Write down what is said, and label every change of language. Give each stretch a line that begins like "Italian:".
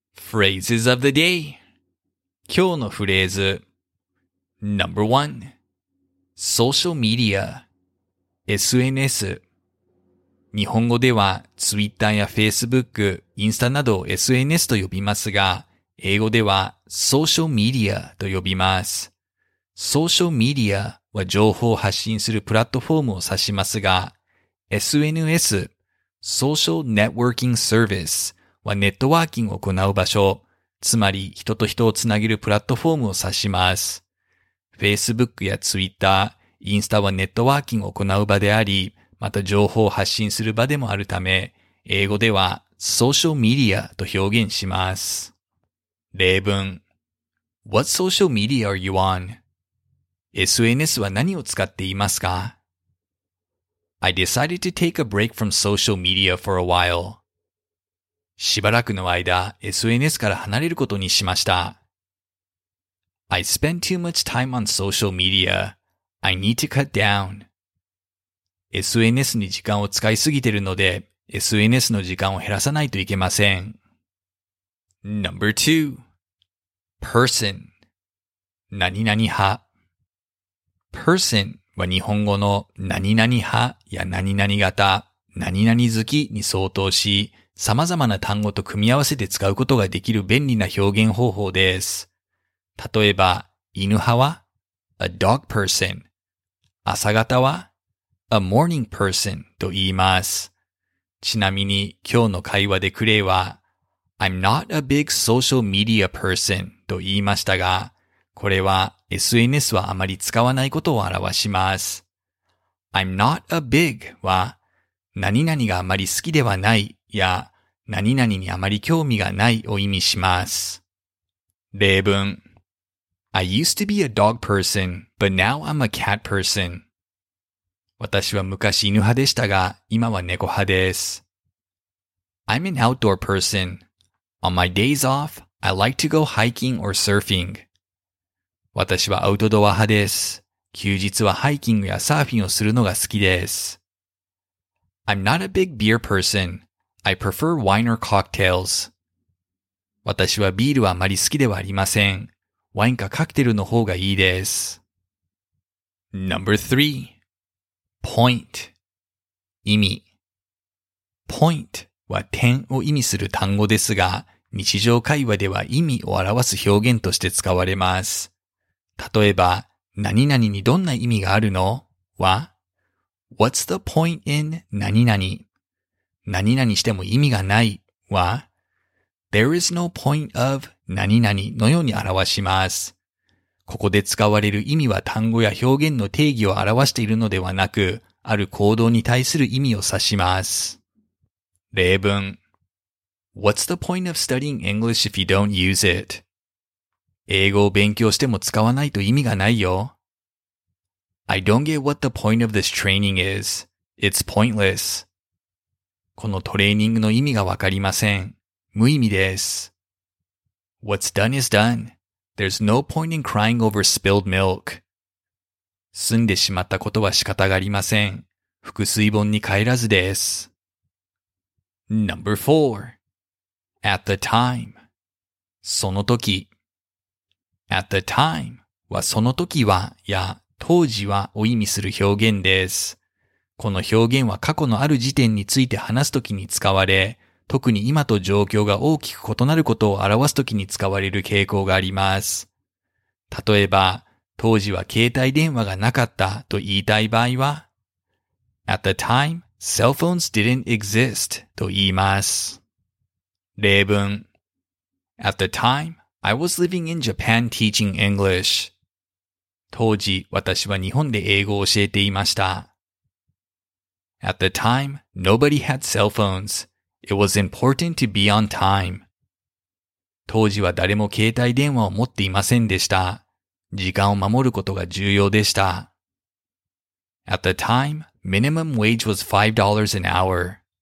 English: Phrases of the day
Japanese: 今日のフレーズ
English: Number 1 Social Media SNS
Japanese: 日本語では、Twitter や Facebook、インスタなどを SNS と呼びますが、英語では、Social Media と呼びます。 Social Media は情報を発信するプラットフォームを指しますが、SNS、Social Networking Service はネットワーキングを行う場所、つまり人と人をつなげるプラットフォームを指します。 Facebook や Twitter、インスタはネットワーキングを行う場であり、また情報を発信する場でもあるため、英語では social media と表現します。例文
English: What social media are you on?
Japanese: SNS は何を使っていますか?
English: I decided to take a break from social media for a while.
Japanese: しばらくの間、SNS から離れることにしました。
English: I spend too much time on social media. I need to cut down.
Japanese: SNS に時間を使いすぎているので、SNS の時間を減らさないといけません。
English: Number 2 Person
Japanese: 何々派 Person は日本語の何々派や何々型、何々好きに相当し、様々な単語と組み合わせて使うことができる便利な表現方法です。例えば、犬派は
English: A dog person
Japanese: 朝型は
English: A morning person
Japanese: と言います。ちなみに今日の会話でクレイは
English: I'm not a big social media person
Japanese: と言いましたが、これは SNS はあまり使わないことを表します。
English: I'm not a big
Japanese: は何々があまり好きではないや何々にあまり興味がないを意味します。例文
English: I used to be a dog person, but now I'm a cat person.
Japanese: 私は昔犬派でしたが、今は猫派です。
English: I'm an outdoor person. On my days off, I like to go hiking or surfing.
Japanese: 私はアウトドア派です。休日はハイキングやサーフィンをするのが好きです。
English: I'm not a big beer person. I prefer wine or cocktails.
Japanese: 私はビールはあまり好きではありません。ワインかカクテルの方がいいです。
English: Number three. Point.
Japanese: 意味。 Point は点を意味する単語ですが、日常会話では意味を表す表現として使われます。例えば、何々にどんな意味があるの?
English: は、What's the point in
Japanese: 何々? 何々しても意味がない?は、
English: There is no point of
Japanese: 何々のように表します。ここで使われる意味は単語や表現の定義を表しているのではなく、ある行動に対する意味を指します。例文。
English: What's the point of studying English if you don't use it?
Japanese: 英語を勉強しても使わないと意味がないよ。
English: I don't get what the point of this training is. It's pointless.
Japanese: このトレーニングの意味がわかりません。無意味です。
English: What's done is done. There's no point in crying over spilled milk.
Japanese: 済んでしまったことは仕方がありません。覆水盆に帰らずです。
English: Number four. At the time.
Japanese: その時。
English: At the time
Japanese: はその時はや当時はを意味する表現です。この表現は過去のある時点について話す時に使われ、特に今と状況が大きく異なることを表す時に使われる傾向があります。例えば、当時は携帯電話がなかったと言いたい場合は、
English: At the time, cell phones didn't exist
Japanese: と言います。例文。
English: At the time, I was living in Japan teaching English.
Japanese: 当時、私は日本で英語を教えていました。
English: At the time, nobody had cell phones. It was important to be on time.
Japanese: 当時は誰も携帯電話を持っていませんでした。時間を守ることが重要でした。
English: At the time, minimum wage was $5 an hour.